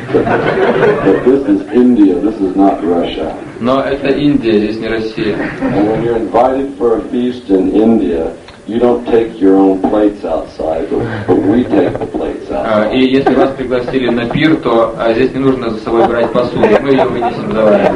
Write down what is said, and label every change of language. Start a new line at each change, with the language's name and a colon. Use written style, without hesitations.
English: But this is India, this is not Russia.
Russian: Но это Индия, здесь не Россия.
English: And when you're invited for a feast in India, you don't take your own plates outside, but we take the plates outside.
Russian: И если вас пригласили на пир, то здесь не нужно за собой брать посуду, мы ее вынесем за вами.